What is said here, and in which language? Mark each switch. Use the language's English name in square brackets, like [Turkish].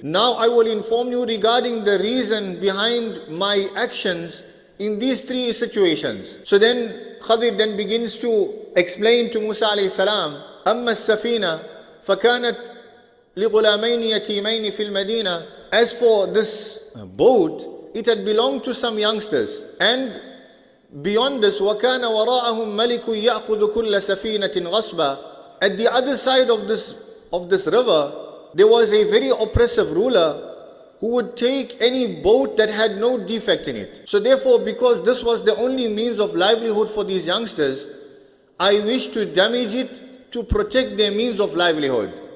[English] Now I will inform you regarding the reason behind my actions in these three situations. So then Khidr then begins to explain to Musa alayhi salam, [Arabic] أَمَّا السَّفِينَةِ فَكَانَتْ لِغُلَامَيْنِ يَتِيمَيْنِ فِي الْمَدِينَةِ. [English] As for this boat, it had belonged to some youngsters. And beyond this, [Arabic] وَكَانَ وَرَاءَهُمْ مَلِكٌ يَأْخُذُ كُلَّ سَفِينَةٍ غَصْبًا. [English] At the other side of this river, there was a very oppressive ruler who would take any boat that had no defect in it. So therefore, because this was the only means of livelihood for these youngsters, I wish to damage it to protect their means of livelihood.